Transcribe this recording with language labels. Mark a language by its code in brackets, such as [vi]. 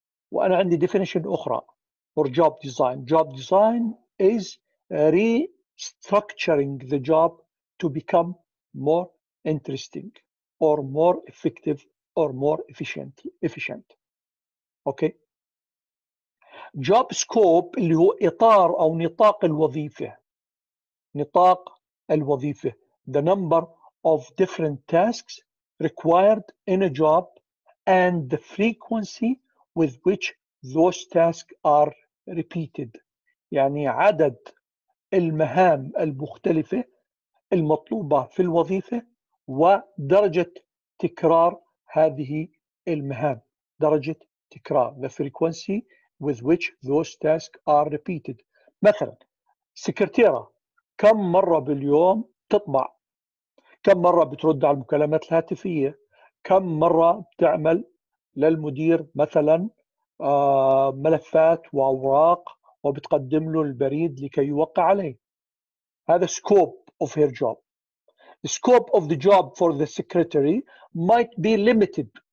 [ar] وأنا عندي [en] definition [ar] أخرى [en] for job design. Job design is restructuring the job to become more interesting or more effective or more efficient. Okay. [ar] Job scope اللي هو إطار أو نطاق الوظيفة. نطاق الوظيفة. [en] The number of different tasks required in a job and the frequency with which those tasks are repeated. [ar] يعني عدد المهام المختلفة المطلوبة في الوظيفة ودرجة تكرار هذه المهام. درجة تكرار. [en] The frequency with which those tasks are repeated. [ar] مثلا سكرتيرة كم مرة باليوم تطبع؟ كم مرة بترد على المكالمات الهاتفية؟ كم مرة بتعمل للمدير مثلا ملفات وأوراق وبتقدم له البريد لكي يوقع عليه؟ هذا [en] scope of her job. The scope of the job for the secretary might be limited.